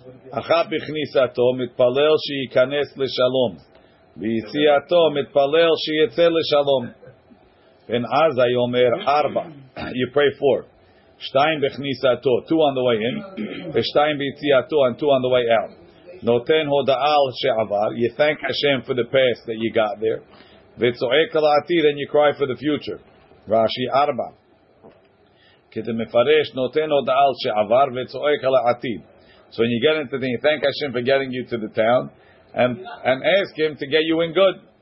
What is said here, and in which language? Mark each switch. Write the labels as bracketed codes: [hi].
[he] אחת בכניסתו מתפלל שייכנס לשלום. ביציאתו מתפלל שיצא לשלום. And אז I אומר ארבע. [en] You pray four. [he] שתיים בכניסתו, [en] two on the way in, [he] ושתיים ביציאתו, [en] and two on the way out. [he] נותן הודעה על שעבר. [en] You thank Hashem for the past that you got there. [he] וצועק על העתיד, [en] and you cry for the future. [he] רש"י ארבע. כדי מפרש, נותן הודעה על שעבר וצועק על העתיד. [en] So when you get into the, you thank Hashem for getting you to the town. And ask him to get you in good.